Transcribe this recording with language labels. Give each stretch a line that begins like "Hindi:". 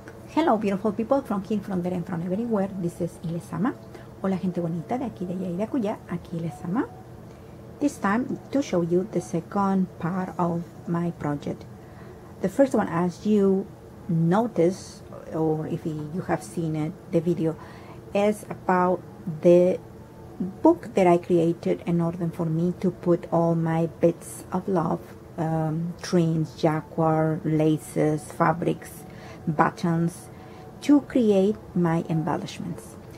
English: Hello, beautiful people from here, from there, and from everywhere. This is LezAma.
Spanish: Hola, gente bonita de aquí, de allá y de acullá. Aquí, LezAma.
English: This time, to show you the second part of my project. The first one, as you notice, or if you have seen it, the video, is about the book that I created in order for me to put all my bits of love, trains, jaguar, laces, fabrics, buttons, to create my embellishments.